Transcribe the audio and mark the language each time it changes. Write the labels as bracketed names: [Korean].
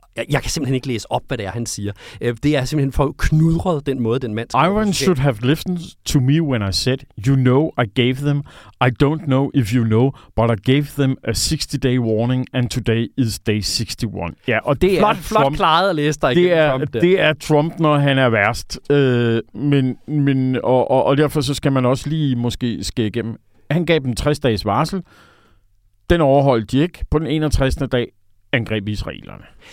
[Danish] Jeg kan simpelthen ikke læse op, hvad det er, han siger. Det er simpelthen for knudret den måde, den mand... [English] Iran should have listened to me when I said, you know, I gave them, I don't know if you know, but I gave them a 60-day warning, and today is day 61. [Danish] Ja, og det flot, er Trump, flot klaret at læse dig igennem Trump. Det er Trump, når han er værst. Men derfor så skal man også lige måske skære igennem. Han gav dem 60-dages varsel. Den overholdt de ikke. På den 61. dag angreb israelerne.